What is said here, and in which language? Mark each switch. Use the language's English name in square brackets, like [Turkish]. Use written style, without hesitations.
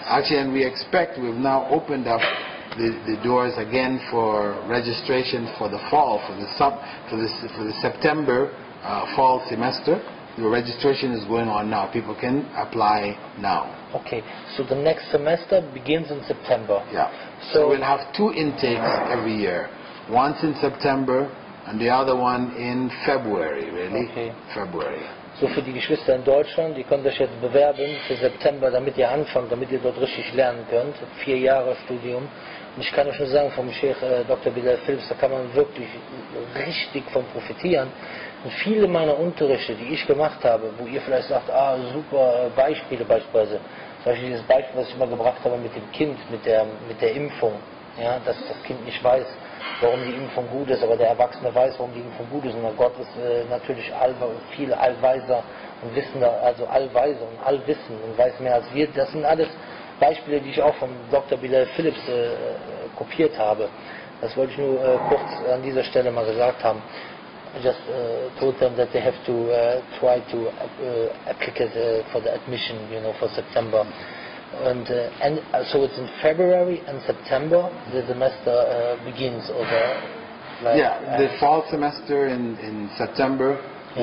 [English] actually, and we expect we've now opened up the doors again for registration for the fall, for the September fall semester. Your registration is going on now. People can apply now. Okay, so the next semester begins in September. Yeah. So we'll have two intakes every year, once in September, and the other one in February. Really, okay. February. [German] So für die Geschwister in Deutschland, ihr könnt euch jetzt bewerben für September, damit ihr anfangt, damit ihr dort richtig lernen könnt. 4 Jahre Studium. Und ich kann euch nur sagen, vom Sheikh Dr. Bilal Phillips, da kann man wirklich richtig von profitieren. Und viele meiner Unterrichte, die ich gemacht habe, wo ihr vielleicht sagt, ah, super Beispiele beispielsweise. Zum Beispiel dieses Beispiel, was ich immer gebracht habe mit dem Kind, mit der Impfung. Ja, dass das Kind nicht weiß, warum die Impfung gut ist, aber der Erwachsene weiß, warum die Impfung gut ist. Und Gott ist natürlich viel allweiser und wissender, also allweiser und allwissend und weiß mehr als wir. Das sind alles Beispiele, die ich auch von Dr. Bilal Phillips kopiert habe. Das wollte ich nur kurz an dieser Stelle mal gesagt haben. [English] I just told them that they have to try to apply for the admission, you know, for September. And, so it's in February and September the semester begins, or the... Like, yeah, the fall semester in September, the